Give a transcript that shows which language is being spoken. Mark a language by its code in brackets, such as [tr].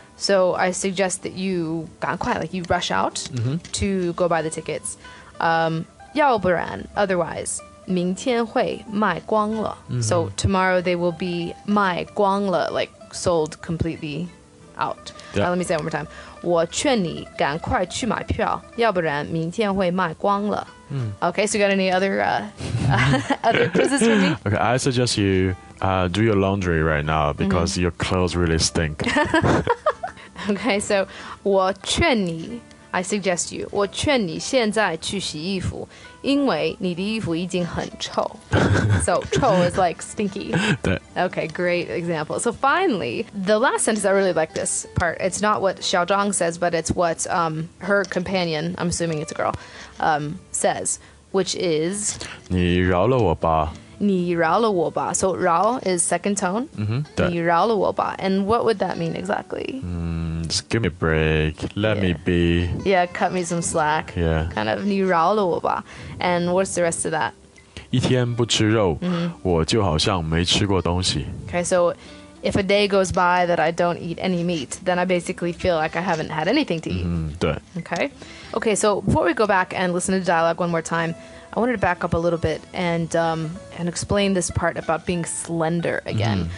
[en] So I suggest that you 赶快, like you rush out to go buy the tickets. [zh] 要不然, otherwise, 明天会卖光了。 [en] So tomorrow they will be [zh] 卖光了, [en] like sold completely out. Now, let me say it one more time. [zh] 我劝你赶快去买票,要不然明天会卖光了。 [en] Okay, so you got any other, other quizzes for me? Okay, I suggest you do your laundry right now because your clothes really stink. [zh] Okay, so 我劝你, [en] I suggest you, [zh] 我劝你现在去洗衣服,因为你的衣服已经很臭。 [en] So 臭 is like stinky. [zh] 对。 [en] Okay, great example. So finally, the last sentence, I really like this part. It's not what Xiao Zhang says, but it's what her companion, I'm assuming it's a girl, says, which is... [zh] 你饶了我吧。你饶了我吧。 [en] So 饶 is second tone. [zh] 对。你饶了我吧。 [en] And what would that mean exactly? Just give me a break. Let me be. Yeah, cut me some slack. Yeah. Kind of [zh] 你饶了我吧。 [en] And what's the rest of that? [zh] 一天不吃肉,我就好像没吃过东西。 [en] Okay, so if a day goes by that I don't eat any meat, then I basically feel like I haven't had anything to eat. [zh] 对。 [en] Okay. Okay, so before we go back and listen to the dialogue one more time,I wanted to back up a little bit and explain this part about being slender again.